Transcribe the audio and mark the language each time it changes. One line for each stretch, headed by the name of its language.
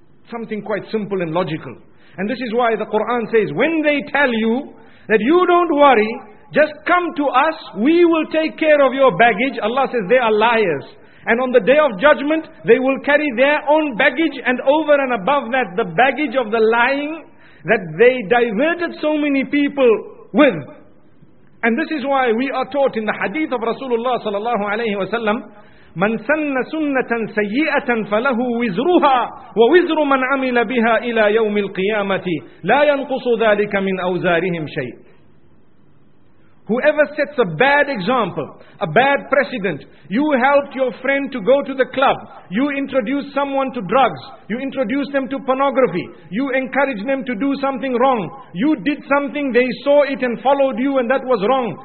English: Something quite simple and logical. And this is why the Quran says, when they tell you that you don't worry, just come to us, we will take care of your baggage, Allah says they are liars. And on the day of judgment, they will carry their own baggage, and over and above that, the baggage of the lying that they diverted so many people with. And this is why we are taught in the hadith of Rasulullah sallallahu alayhi wa sallam,
Arabic: مَنْ سَنَّ سُنَّةً سَيِّئَةً فَلَهُ وِزْرُهَا وَوِزْرُ مَنْ عَمِلَ بِهَا إِلَى يَوْمِ الْقِيَامَةِ لَا يَنْقُصُ ذَلِكَ مِنْ أَوْزَارِهِمْ شَيْءٍ.
English: Whoever sets a bad example, a bad precedent, you helped your friend to go to the club, you introduced someone to drugs, you introduced them to pornography, you encouraged them to do something wrong, you did something, they saw it and followed you and that was wrong,